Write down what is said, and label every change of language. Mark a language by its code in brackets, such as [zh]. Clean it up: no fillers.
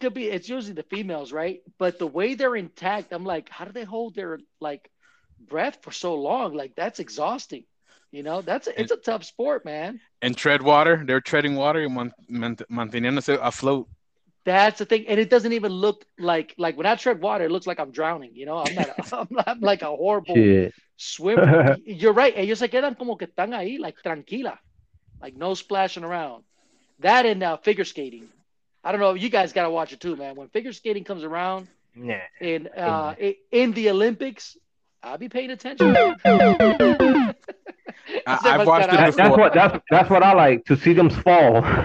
[en] It's usually the females, right? But the way they're intact, I'm like, how do they hold their like breath for so long? Like, that's exhausting. You know, it's a tough sport, man. And tread water. They're treading water and [es] manteniendo [en] afloat. That's the thing, and it doesn't even look like when I tread water, it looks like I'm drowning. You know, I'm like a horrible swimmer. You're right. [es] Ellos se quedan como que están ahí, like tranquila, [en] like no splashing around. That and figure skating. I don't know. You guys gotta watch it too, man. When figure skating comes around, in the Olympics, I'll be paying attention. I've watched it before. That's what I like to see them fall.